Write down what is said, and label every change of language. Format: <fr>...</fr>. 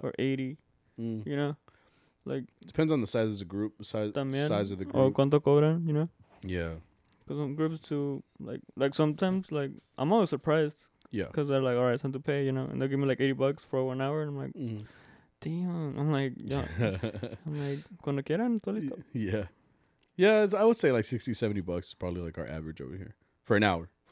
<en>or 80, you know? Like depends on the size of the group, size of the group. Or</en> <es>cuánto cobran,</es> <en>you know? Yeah. Because some groups too, like sometimes, like, I'm always surprised. Yeah. Because they're like, all right, it's time to pay, you know? And they'll give me like $80 for 1 hour. And I'm like, damn. I'm like, yeah. I'm like,</en> <es>cuando quieran, todo listo.</es> <en>Yeah. Yeah, I would say like $60-$70 is probably like our average over here. For an hour.</en>